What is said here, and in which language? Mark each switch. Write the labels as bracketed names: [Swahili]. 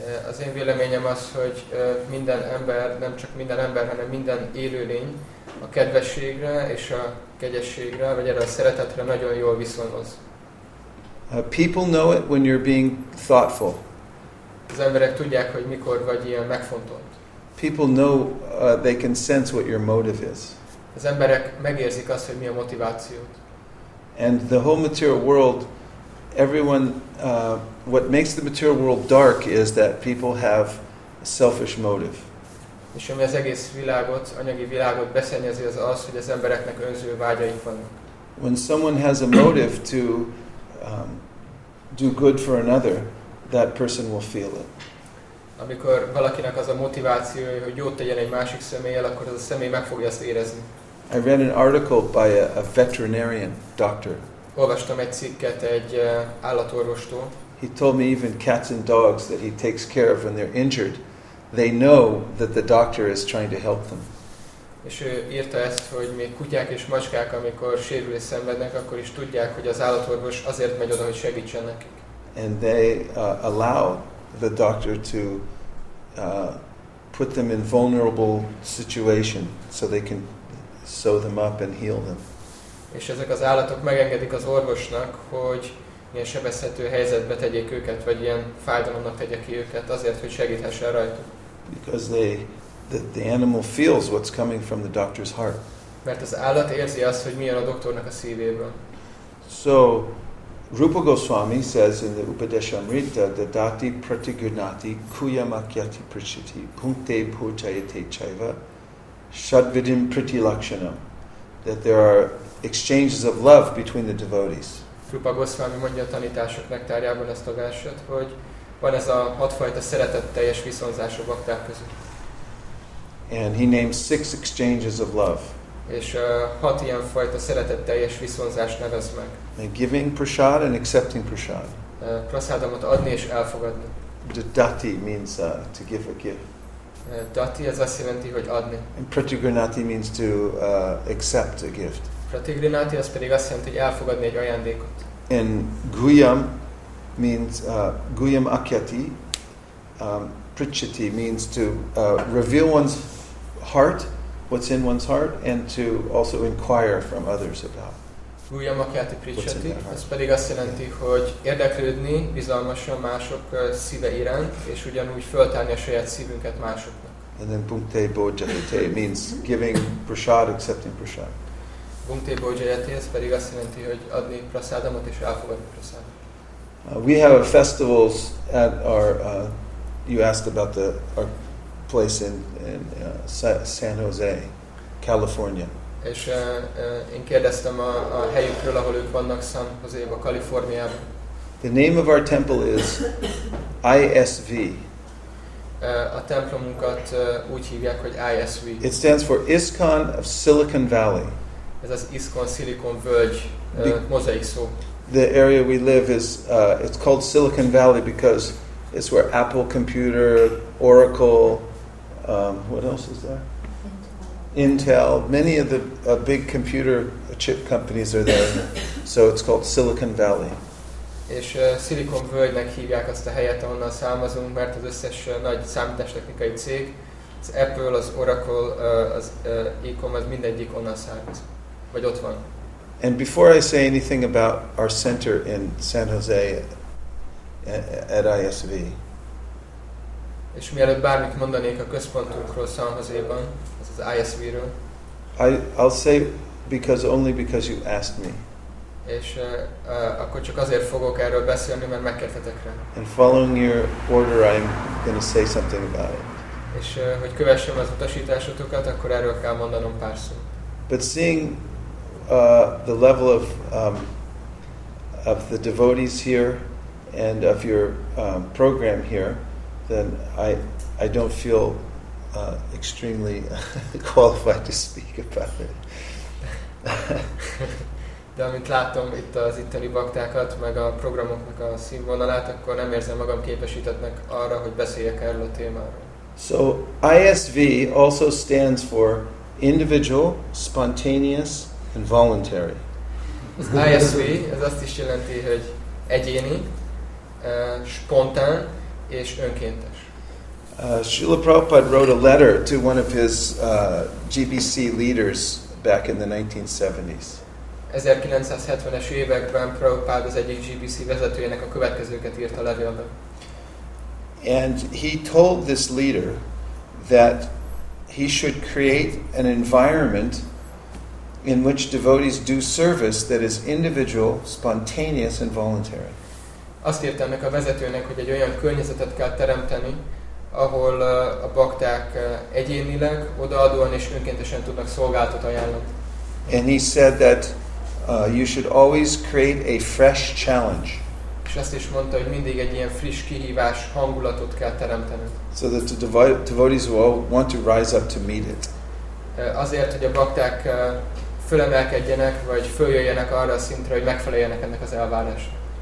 [Hungarian] Az én véleményem az, hogy minden ember, nem csak minden ember, hanem minden élőlény a kedvességre és a kegyességre, vagy erre a szeretetre nagyon jól viszonoz. [English] People know it when you're being thoughtful. [Hungarian] Az emberek tudják, hogy mikor vagy ilyen megfontolt. [English] People know, they can sense what your motive is. [Hungarian] Az emberek megérzik azt, hogy mi a motivációt. [English] And the whole material world, everyone, what makes the material world dark is that people have a selfish motive. [Hungarian] És ami az egész világot, anyagi világot beszennyezi, az az, hogy az embereknek önző vágyaink vannak. [English] When someone has a motive to do good for another, that person will feel it. [Hungarian] Amikor valakinek az a motivációja, hogy jót tegyen egy másik személlyel, akkor az a személy meg fogja ezt érezni. [English] I read an article by a veterinarian doctor. [Hungarian] Olvastam egy cikket egy állatorvostól. [English] He told me even cats and dogs that he takes care of when they're injured, they know that the doctor is trying to help them. [Hungarian] És ő írta ezt, hogy még kutyák és macskák, amikor sérülés szenvednek, akkor is tudják, hogy az állatorvos azért megy oda, hogy segítsen nekik. [English] And they allow the doctor to put them in vulnerable situation so they can sew them up and heal them. [Hungarian] És ezek az állatok megengedik az orvosnak, hogy ilyen sebezhető helyzetbe tegyék őket, vagy ilyen fájdalomnak tegye ki őket, azért, hogy segíthessen rajtuk. [English] Because the animal feels what's coming from the doctor's heart. [Hungarian] Mert az állat érzi azt, hogy mi jön a doktornak a szívéből. [English] So, Rupa Goswami says in the Upadeshamrita, [Sanskrit] dadati pratigunati kuyamakyati prichiti punkte purchayate chaiva shadvidim pritilakshanam, [English] that there are exchanges of love between the devotees. [Hungarian] Rupa Goswami mondja a tanítások nektárjában ezt a verset, hogy van ez a hatfajta szeretetteljes viszonzás a bakták között. [English] And he names six exchanges of love. [Hungarian] És hat ilyen fajta szeretetteljes viszonzást nevez meg. [English] And giving prasad and accepting prasad. [Hungarian] Prasadamot adni és elfogadni. [English] Dati means to give a gift. [Hungarian] Dati az azt jelenti, hogy adni. [English] And pratigrinati means to accept a gift. [Hungarian] Pratigrinati az pedig azt jelenti, hogy elfogadni egy ajándékot. [English] And guyam means guyam akyati. Prichiti means to reveal one's heart, what's in one's heart, and to also inquire from others about. [Hungarian] Guyamakyati prichiti, ez pedig azt jelenti, hogy érdeklődni bizalmasan mások szíve iránt, és ugyanúgy föltárni a saját szívünket másoknak. [English] And then punkte bojjate means giving prasad, accepting prasad. [Hungarian] Punkte bojjate, ez pedig azt jelenti, hogy adni prasadamot és elfogadni prasadamot. [English] We have festivals at our you asked about the our place in San Jose, California. [Hungarian] És én kérdeztem a helyükről, ahol ők vannak, San Jose, a Kaliforniában. [English] The name of our temple is ISV. [Hungarian] A templomunkat úgy hívják, hogy ISV. [English] It stands for ISKCON of Silicon Valley. [Hungarian] Ez az ISKCON Silicon Völgy mozaik szó. [English] The area we live is it's called Silicon Valley because it's where Apple Computer, Oracle, what else is there? Intel. Many of the big computer chip companies are there. So it's called Silicon Valley. [Hungarian] És Silicon Valley-nek hívják azt a helyet, ahonnan származunk, mert az összes nagy számítástechnikai cég, az Apple, az Oracle, az Ecom, az mindegyik onnan származ. Vagy ott van. [English] And before I say anything about our center in San Jose, at ISV. [Hungarian] És mielőtt bármit mondanék a központunkról San Jose-ban, az az ISV-ről. [English] I'll say because only because you asked me. [Hungarian] És akkor csak azért fogok erről beszélni, mert megkértetek rá. [English] And following your order, I'm going to say something about it. [Hungarian] És hogy kövessem az utasításotokat, akkor erről kell mondanom pár szót. [English] But seeing the level of the devotees here, and of your program here, then I don't feel extremely qualified to speak about it. [Hungarian] De amint látom itt az itteni baktákat, meg a programoknak a színvonalát, akkor nem érzem magam képesítettnek arra, hogy beszéljek erről a témáról. [English] So ISV also stands for individual, spontaneous, and voluntary. [Hungarian] Az ISV, ez azt is jelenti, hogy egyéni, spontán és önkéntes. [English] Srila Prabhupada wrote a letter to one of his GBC leaders back in the 1970s. [Hungarian] 1970-es években Prabhupada az egyik GBC vezetőjének a következőket írt a levélbe. [English] And he told this leader that he should create an environment in which devotees do service that is individual, spontaneous and voluntary. [Hungarian] Azt írta ennek a vezetőnek, hogy egy olyan környezetet kell teremteni, ahol a bakták egyénileg odaadóan és önkéntesen tudnak szolgáltat ajánlani. [English] And he said that you should always create a fresh challenge. [Hungarian] És azt is mondta, hogy mindig egy ilyen friss kihívás hangulatot kell teremteni. [English] So that the devotees will want to rise up to meet it. [Hungarian] Azért, hogy a bakták fölemelkedjenek, vagy följöjjenek arra a szintre, hogy megfeleljenek ennek az elvárásnak.